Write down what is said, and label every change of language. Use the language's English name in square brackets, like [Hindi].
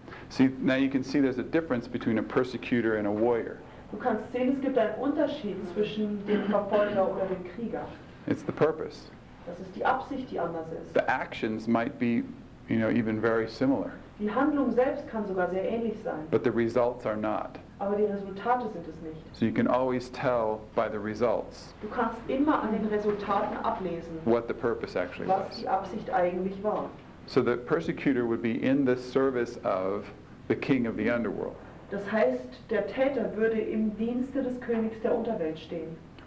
[English] See, now you can see there's a difference between a persecutor and a warrior. [German] Du kannst sehen, es gibt einen Unterschied zwischen dem Verfolger oder dem Krieger. [English] It's the purpose. [German] Das ist die Absicht, die anders ist. [English] The actions might be, you know, even very similar. [German] Die Handlung selbst kann sogar sehr ähnlich sein. [English] But the results are not. [German] Aber die Resultate sind es nicht. [English] So you can always tell by the results. [German] Du kannst immer an den Resultaten ablesen. [English] What the purpose actually was. [German] Was die Absicht eigentlich war. [English] So the persecutor would be in the service of the king of the underworld. [German] Das heißt, der Täter würde im Dienste des Königs der Unterwelt stehen.